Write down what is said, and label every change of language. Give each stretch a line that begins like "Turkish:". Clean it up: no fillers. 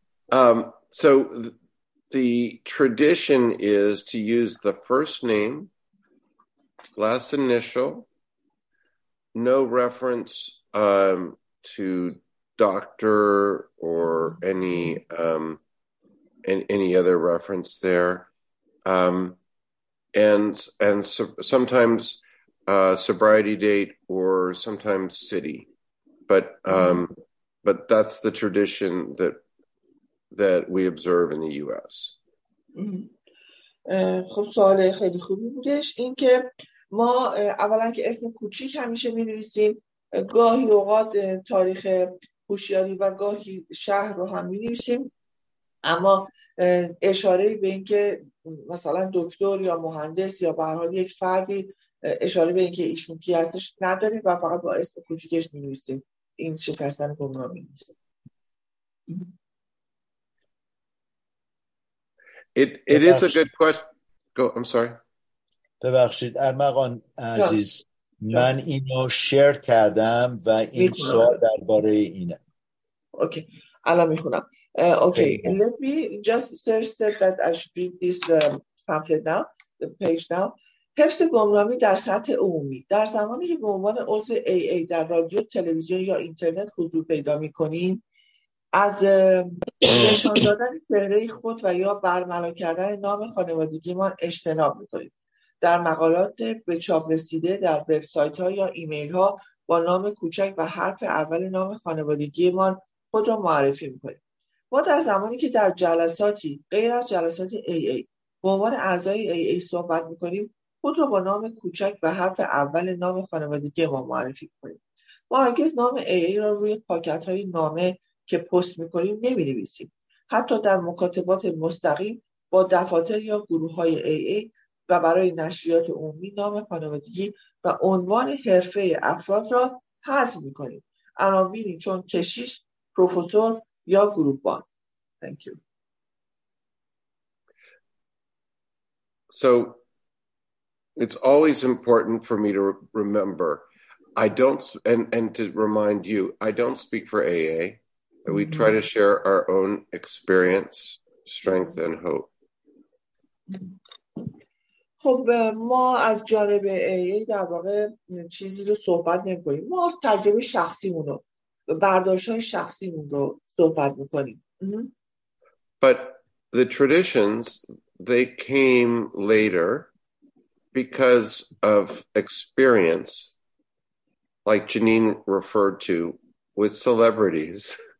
English: So the tradition is to use the first name, last initial, no reference to doctor or any other reference there. And sometimes sobriety date or sometimes city, but that's the tradition that we observe in the U.S.
Persian: خب سوال خیلی خوبی بودش این که ما اولا که اسم کوچیک همیشه می نویسیم گاهی اوقات تاریخ هوشیاری و گاهی شهر رو هم می نویسیم اما اشاره به این که مثلا دکتر یا مهندس یا به هر حال یک فردی اشاره به اینکه ایشون کی ازش نداریم و فقط با اسم کوچیکش می‌نویسیم، این شکستن گمنامی نیست.
English: It is a good question. Go, I'm sorry.
Persian: ببخشید ارمغان عزیز، من اینو شیر کردم و این سوال درباره اینه. اوکی الان میخونم.
English: Okay let me just search that I should read this pamphlet now, the page now.
Persian: حفظ گمنامی در سطح عمومی. در زمانی که به عنوان عضو AA در رادیو، تلویزیون یا اینترنت حضور پیدا میکنین، از نشان دادن چهره خود و یا برملا کردن نام خانوادگی ما اجتناب میکنید. در مقالات به چاپ رسیده، در وبسایت ها یا ایمیل ها با نام کوچک و حرف اول نام خانوادگی ما خود را معرفی میکنید. ما در زمانی که در جلساتی غیر از جلسات AA به عنوان اعضای AA صحبت میکنیم، خود را با نام کوچک و حرف اول نام خانوادگی ما معرفی میکنیم. ما هرگز نام AA را روی پاکت های نامه که پست میکنیم نمی نویسیم. حتی در مکاتبات مستقیم با دفاتر یا گروه های AA و برای نشریات عمومی نام خانوادگی و عنوان حرفه افراد را حذف میکنیم. عناوینی چون کشیش، پروفسور یا گروهبان.
English: Thank you. So it's always important for me to remember. I don't and to remind you, I don't speak for AA. We try to share our own experience, strength, and hope.
Persian: خب ما از جانب AA در واقع چیزی رو صحبت نمی‌کنیم. ما از تجربه شخصیمون رو، برداشت‌های شخصیمون رو صحبت می‌کنیم.
English: But the traditions, they came later because of experience, like Janine referred to, with celebrities.